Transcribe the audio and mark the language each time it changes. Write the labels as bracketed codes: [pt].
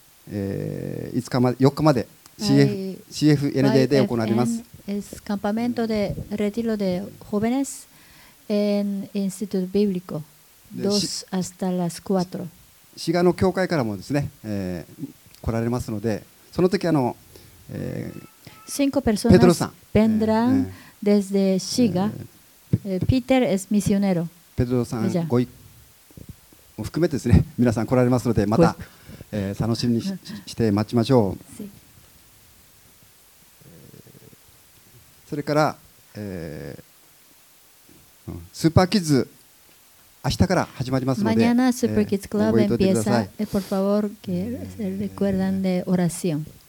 [ja] 5日まで4日まで CFNJ で行われます。 [es] Es campamento de retiro de jóvenes en Instituto Bíblico. 2 hasta las 4. [ja] 滋賀の教会からもですね、来られますので、その時 [es] 5 personas [ja] ペトロさん [es] vendrán desde Shiga. Peter es misionero. [ja] ペトロさんご一も含めてですね、皆さん来られますのでまた。楽しみにして待ちましょう。それから、スーパーキッズ明日から始まりますので、 [es] mañana Super Kids Club empieza. Por favor, que recuerden de oración.